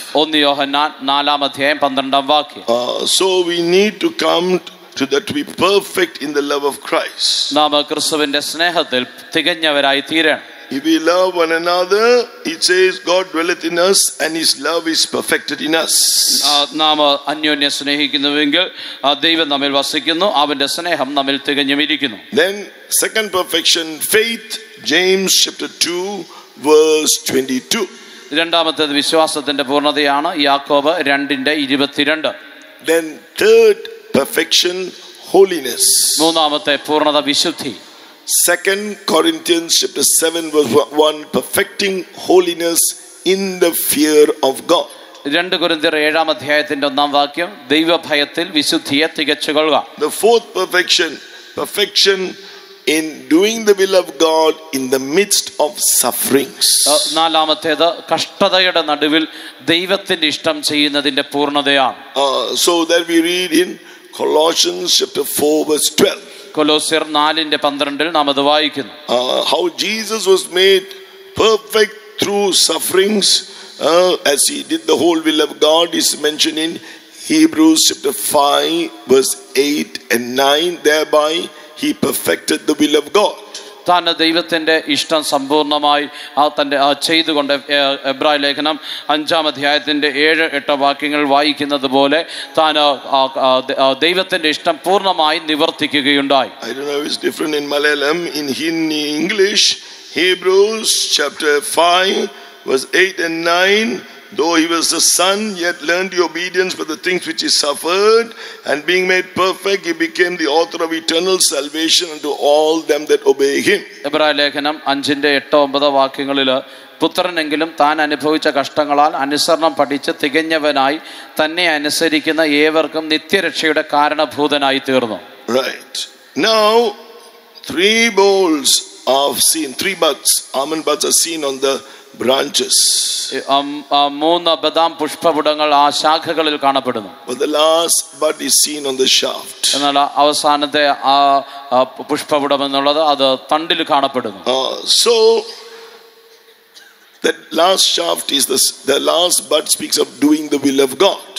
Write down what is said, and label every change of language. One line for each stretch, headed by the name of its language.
Malayalam: ഒന്ന് യോഹന്നാൻ നാലാം അധ്യായം പന്ത്രണ്ടാം വാക്യം.
English: So we need to come to that to be perfect in the love of Christ.
Malayalam: നാം ക്രിസ്തുവിന്റെ സ്നേഹത്തിൽ തികഞ്ഞവരായി തീരണം.
English: If we love one another, it says God dwelleth in us and his love is perfected in us.
Malayalam: നാം അന്യോന്യം സ്നേഹിക്കുന്നുവെങ്കിൽ ദൈവം നമ്മിൽ വസിക്കുന്നു അവന്റെ സ്നേഹം നമ്മിൽ തികഞ്ഞിരിക്കുന്നു.
English: Then second perfection, faith, James chapter 2 verse 22.
Malayalam: രണ്ടാമത്തെ വിശ്വാസത്തിന്റെ പൂർണ്ണതയാണ് യാക്കോബ് 2:22.
English: Then third perfection, holiness.
Malayalam: മൂന്നാമത്തെ പൂർണ്ണത വിശുദ്ധി.
English: 2 Corinthians chapter 7 verse 1, perfecting holiness in the fear of God.
Malayalam: 2 കൊരിന്ത്യർ 7 അധ്യായത്തിന്റെ ഒന്നാം വാക്യം, ദൈവഭയത്തിൽ വിശുദ്ധിയെ തികച്ചുകൊള്ളുക.
English: The fourth perfection, perfection in doing the will of God in the midst of sufferings.
Malayalam: നാലാമത്തേത് കഷ്ടതയുടെ നടുവിൽ ദൈവത്തിന്റെ ഇഷ്ടം ചെയ്യുന്നതിന്റെ പൂർണ്ണതയാണ്.
English: So that we read in Colossians chapter 4 verse 12.
Malayalam: കൊലോസ്യർ 4:12 നാം അത് വായിക്കുന്നു.
English: How Jesus was made perfect through sufferings as he did the whole will of God is mentioned in Hebrews chapter 5 verse 8 and 9. Thereby he perfected the will of God.
Malayalam: തന്റെ ദൈവത്തിന്റെ ഇഷ്ടം സമ്പൂർണമായി ആ തന്റെ ചെയ്തുകൊണ്ട് എബ്രായ ലേഖനം 5:7-8 വാക്യങ്ങൾ വായിക്കുന്നത് പോലെ താൻ ദൈവത്തിന്റെ ഇഷ്ടം പൂർണമായി നിവർത്തിക്കുകയുണ്ടായി.
English: I don't know if it's different in Malayalam. In Hindi, English, Hebrews chapter 5 verse 8 and 9, though he was the son, yet learned the obedience for the things which he suffered, and being made perfect, he became the author of eternal salvation unto all them that obey him.
Malayalam: എബ്രായ ലേഖനം 5:8-9 വാക്യങ്ങളിൽ പുത്രനെങ്കിലും താൻ അനുഭവിച്ച കഷ്ടങ്ങളാൽ അനുസരണം പഠിച്ച് തികഞ്ഞവനായി തന്നെ അനുസരിക്കുന്ന ഏവർക്കും നിത്യരക്ഷയുടെ കാരണഭൂതനായി തീർന്നു.
English: Right. Now, three bowls are seen, three buds, almond buds are seen on the branches.
Malayalam: മൂന്ന് ബദാം പുഷ്പപുടങ്ങൾ ആ ശാഖകളിൽ കാണപ്പെടുന്നു.
English: But the last bud is seen on the shaft.
Malayalam: എന്നാൽ അവസാനത്തെ ആ പുഷ്പപുടം എന്നുള്ളത് അത് തണ്ടിൽ കാണപ്പെടുന്നു.
English: So that last shaft is the last bud speaks of doing the will of God.